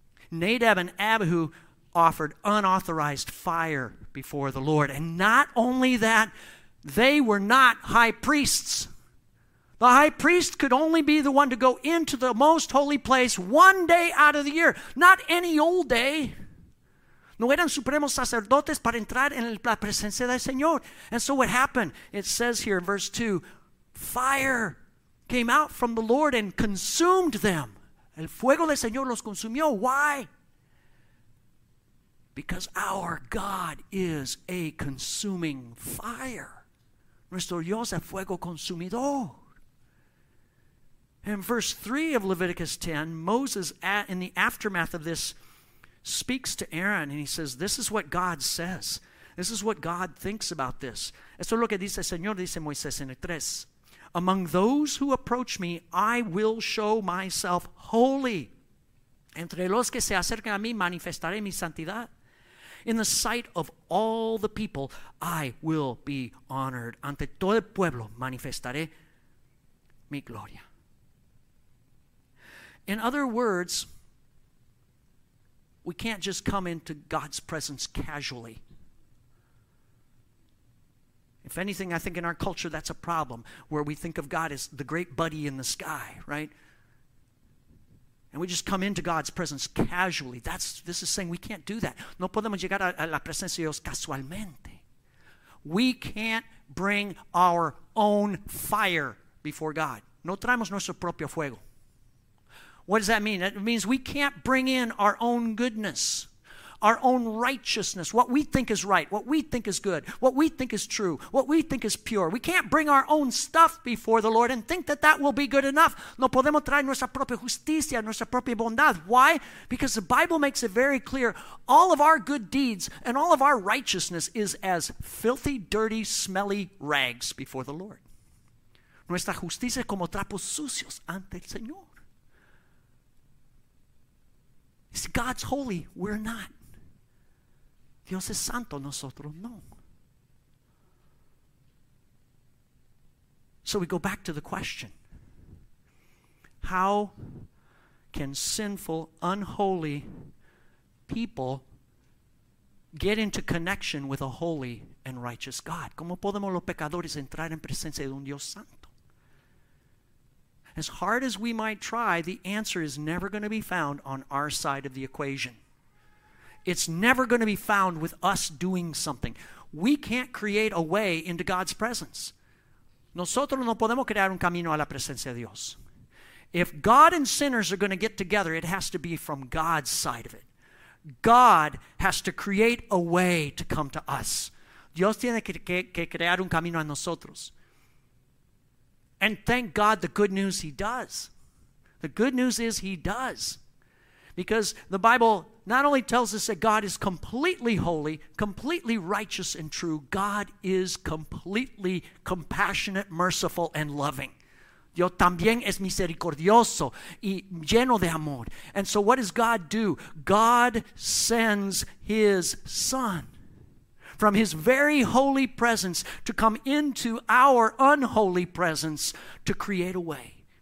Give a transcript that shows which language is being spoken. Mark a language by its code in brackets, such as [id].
[en] Nadab and Abihu offered unauthorized fire before the Lord. And not only that, they were not high priests. The high priest could only be the one to go into the most holy place one day out of the year, not any old day. [es] No eran supremos sacerdotes para entrar en la presencia del Señor. [en] And so what happened? It says here in verse 2, fire came out from the Lord and consumed them. [es] El fuego del Señor los consumió. [en] Why? Because our God is a consuming fire. [es] Nuestro Dios es fuego consumidor. [en] In verse 3 of Leviticus 10, Moses, in the aftermath of this, speaks to Aaron and he says, this is what God says. This is what God thinks about this. [es] Esto es lo que dice el Señor, dice Moisés en el 3. [en] Among those who approach me, I will show myself holy. [es] Entre los que se acercan a mí, manifestaré mi santidad. [en] In the sight of all the people, I will be honored. [es] Ante todo el pueblo, manifestaré mi gloria. [en] In other words, we can't just come into God's presence casually. If anything, I think in our culture that's a problem, where we think of God as the great buddy in the sky, right? And we just come into God's presence casually. This is saying we can't do that. [es] No podemos llegar a la presencia de Dios casualmente. [en] We can't bring our own fire before God. [es] No traemos nuestro propio fuego. [en] What does that mean? It means we can't bring in our own goodness, our own righteousness, what we think is right, what we think is good, what we think is true, what we think is pure. We can't bring our own stuff before the Lord and think that that will be good enough. [es] No podemos traer nuestra propia justicia, nuestra propia bondad. [en] Why? Because the Bible makes it very clear, all of our good deeds and all of our righteousness is as filthy, dirty, smelly rags before the Lord. [es] Nuestra justicia es como trapos sucios ante el Señor. [en] See, God's holy, we're not. [es] Dios es santo, nosotros no. [en] So we go back to the question. How can sinful, unholy people get into connection with a holy and righteous God? [es] ¿Cómo podemos los pecadores entrar en presencia de un Dios santo? [en] As hard as we might try, the answer is never going to be found on our side of the equation. It's never going to be found with us doing something. We can't create a way into God's presence. [es] Nosotros no podemos crear un camino a la presencia de Dios. [en] If God and sinners are going to get together, it has to be from God's side of it. God has to create a way to come to us. [es] Dios tiene que crear un camino a nosotros. [en] And thank God the good news he does. The good news is he does. Because the Bible not only tells us that God is completely holy, completely righteous and true, God is completely compassionate, merciful, and loving. [es] Dios también es misericordioso y lleno de amor. [en] And so what does God do? God sends his Son from his very holy presence to come into our unholy presence to create a way.